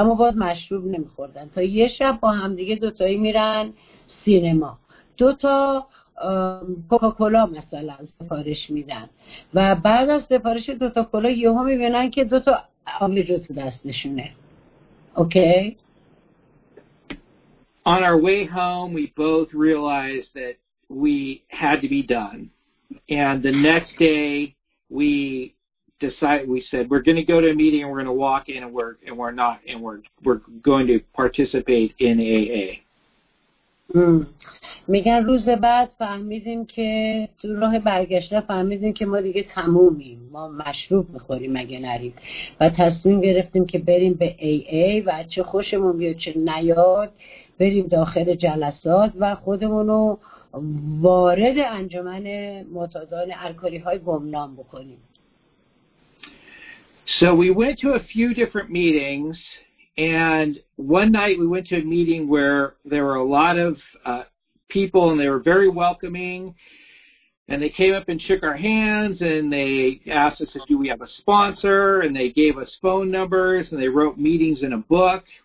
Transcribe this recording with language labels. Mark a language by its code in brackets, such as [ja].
[fa] اما باید مشروب نمیخوردن. تا یه شب با هم دیگه دوتایی میرن سینما, دوتا کوکاکولا مثلا سفارش میدن و بعد از سفارش دوتا کولا یهو میبینن که دوتا آبجو تو دستشونه. اوکی. [en] On our way home we both realized that we had to be done, and the next day we decided, we said we're going to go to a meeting and we're going to walk in and we're going to participate in AA. [fa] میگن روز بعد فهمیدیم که تو راه برگشته فهمیدیم که ما دیگه تمومیم, ما مشروب میخوریم مگه نریم, و تصمیم گرفتیم که بریم به AA و چه خوشمون بیاد چه نیاد بریم داخل جلسات و خودمونو وارد انجمن معتادان الکلی های گمنام بکنیم. [en] So we went to a few different meetings. And one night we went to a meeting where there were a lot of people and they were very welcoming, and they came up and shook our hands and they asked us, do we have a sponsor, and they gave us phone numbers and they wrote meetings in a book.